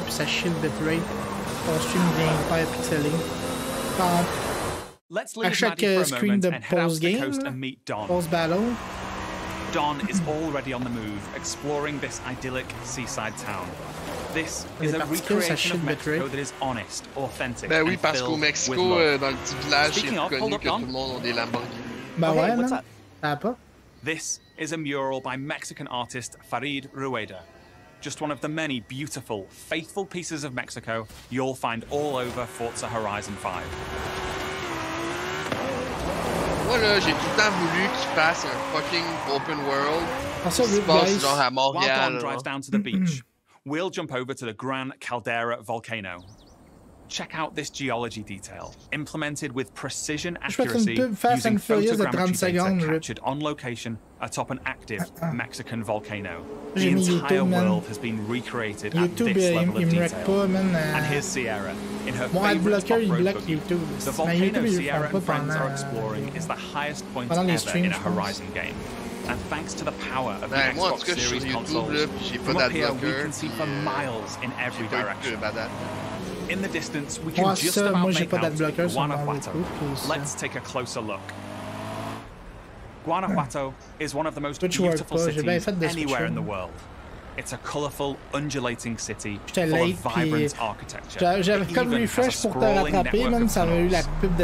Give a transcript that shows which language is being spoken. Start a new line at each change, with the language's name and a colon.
French: Puis ça
English: shield the raid. Our stream being quite pixely. Let's leave Maddie for a moment and head out to the coast and meet Don. Post battle. Don is already on the move, exploring this idyllic seaside town. This is a recreation of Mexico that is honest, authentic, and filled with love.
French: Ben oui, parce qu'au Mexico, dans le petit village, j'ai connu que tout le monde a des Lamborghini. Bah ouais, non?
English: This is a mural by Mexican artist Farid Rueda. Just one of the many beautiful, faithful pieces of Mexico you'll find all over Forza Horizon 5.
French: Moi, là, j'ai tout le temps voulu qu'il fasse un fucking open world. Passe genre à Montréal.
English: While Don drives down to the beach, we'll jump over to the Gran Caldera volcano. Check out this geology detail, implemented with precision accuracy using photogrammetry data captured on location atop an active Mexican volcano. The entire world has been recreated at this level of detail. And here's Sierra, in her favorite off-road buggy. The volcano Sierra and friends are exploring is the highest point ever in a Horizon game. And thanks to the power of the Xbox Series consoles, from up here we can see for miles in every direction. In the distance, we can just about make out Guanajuato. Let's take a closer look. Guanajuato is one of the most beautiful cities anywhere in the world. It's a colorful, undulating city full of vibrant architecture.
French: J'avais comme refresh pour te rattraper, même ça m'a eu la pub de Nintendo.